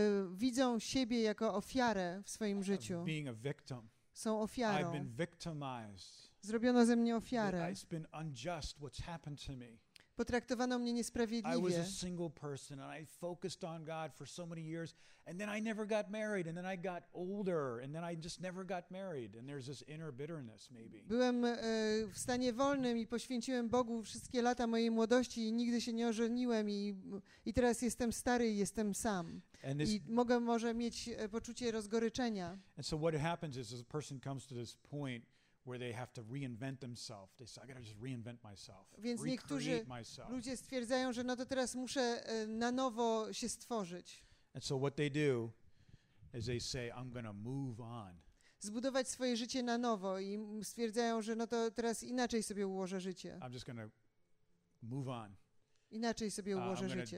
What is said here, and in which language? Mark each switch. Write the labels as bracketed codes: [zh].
[pl] Widzą siebie jako ofiarę w swoim życiu. [en] Being a victim. [pl] Są ofiarą. [en] I've been victimized. [pl] Zrobiono ze mnie ofiarę. [en] It's been unjust what's happened to me. [pl] Potraktowano mnie niesprawiedliwie. [en] I was a single person and I focused on God for so many years and then I never got married and then I got older and then I just never got married and there's this inner bitterness maybe. [pl] Byłem w stanie wolnym i poświęciłem Bogu wszystkie lata mojej młodości i nigdy się nie ożeniłem i teraz jestem stary i jestem sam. I mogę może mieć poczucie rozgoryczenia. [en] And so what happens is a person comes to this point where they have to reinvent themselves. They say, I gotta just reinvent myself. [pl] Więc niektórzy ludzie stwierdzają, że no to teraz muszę na nowo się stworzyć. [en] And so what they do is they say, I'm gonna move on. [pl] zbudować swoje życie na nowo i stwierdzają, że no to teraz inaczej sobie ułożę życie. [en] I'm just gonna move on. [pl] Inaczej sobie ułożę życie.